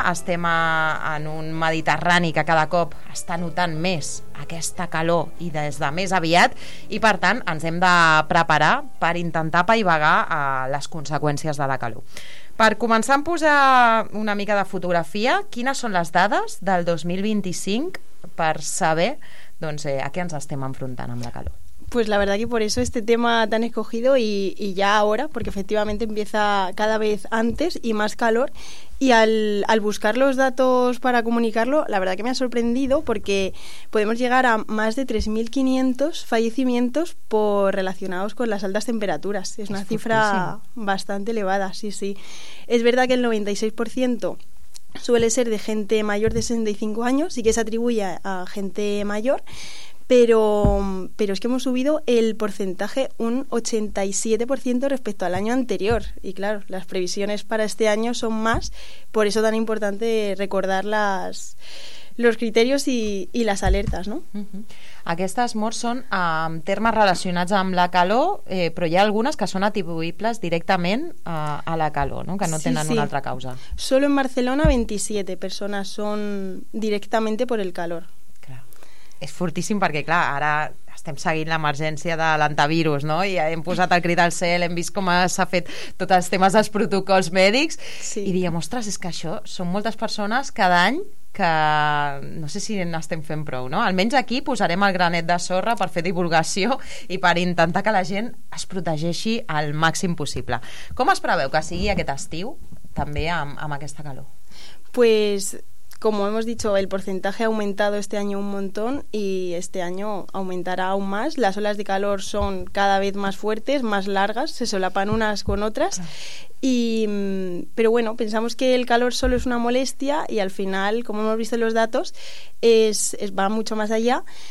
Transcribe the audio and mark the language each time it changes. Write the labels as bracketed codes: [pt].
[ca] Estem en un Mediterrani que cada cop està notant més aquesta calor i des de més aviat, i per tant ens hem de preparar per intentar apaivagar les conseqüències de la calor. Per començar a posar una mica de fotografia, quines són les dades del 2025 per saber doncs, a què ens estem enfrontant amb la calor? [es] Pues la verdad que por eso este tema tan escogido y ya ahora, porque efectivamente empieza cada vez antes y más calor, y al buscar los datos para comunicarlo, la verdad que me ha sorprendido porque podemos llegar a más de 3.500 fallecimientos relacionados con las altas temperaturas. Es una cifra bastante elevada, sí, sí. Es verdad que el 96% suele ser de gente mayor de 65 años y que se atribuye a gente mayor. Pero es que hemos subido el porcentaje un 87% respecto al año anterior. Y claro, las previsiones para este año son más, por eso tan importante recordar los criterios y las alertas, ¿no? Uh-huh. [ca] Aquestes morts són en termes relacionats amb la calor, però hi ha algunes que són atribuïbles directament a la calor, ¿no? Que no tenen una altra causa. [es] Solo en [ca] Barcelona 27 persones són directament per el calor. És fortíssim perquè, clar, ara estem seguint l'emergència de l'antivirus, no? I hem posat el crit al cel, hem vist com s'ha fet tots els temes dels protocols mèdics, sí. I diem, ostres, és que això són moltes persones cada any que no sé si n'estem fent prou, no? Almenys aquí posarem el granet de sorra per fer divulgació i per intentar que la gent es protegeixi al màxim possible. Com es preveu que sigui aquest estiu també amb aquesta calor? [es] Pues... Como hemos dicho, el porcentaje ha aumentado este año un montón y este año aumentará aún más. Las olas de calor son cada vez más fuertes, más largas, se solapan unas con otras. Pero bueno, pensamos que el calor solo es una molestia y al final, como hemos visto en los datos, va mucho más allá.